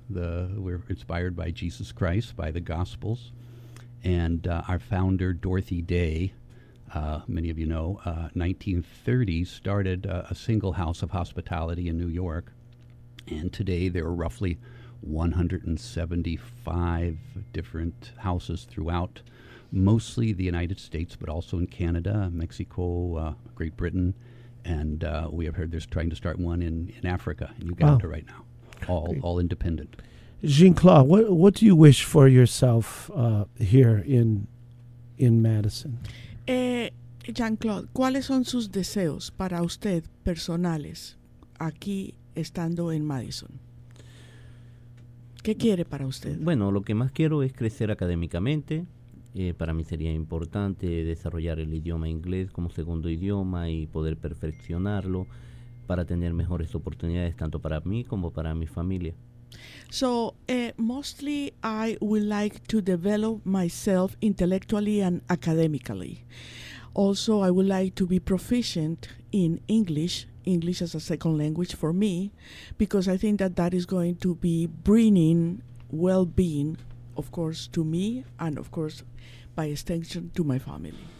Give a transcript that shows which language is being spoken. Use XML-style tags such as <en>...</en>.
<en>We're inspired by Jesus Christ, by the Gospels, and our founder, Dorothy Day, many of you know, 1930s, started a single house of hospitality in New York, and today there are roughly 175 different houses throughout mostly the United States, but also in Canada, Mexico, Great Britain, and we have heard there's trying to start one in Africa, in Uganda. Wow. Right now, all independent. Jean Claude, what do you wish for yourself here in Madison?</en> <es>Jean Claude, ¿cuáles son sus deseos para usted personales aquí estando en Madison? ¿Qué quiere para usted? Bueno, lo que más quiero es crecer académicamente. Para mí sería importante desarrollar el idioma inglés como segundo idioma y poder perfeccionarlo para tener mejores oportunidades tanto para mí como para mi familia.</es> <en>So, mostly I would like to develop myself intellectually and academically. Also, I would like to be proficient in English, English as a second language for me, because I think that that is going to be bringing well-being, of course, to me, and of course, by extension, to my family.</en>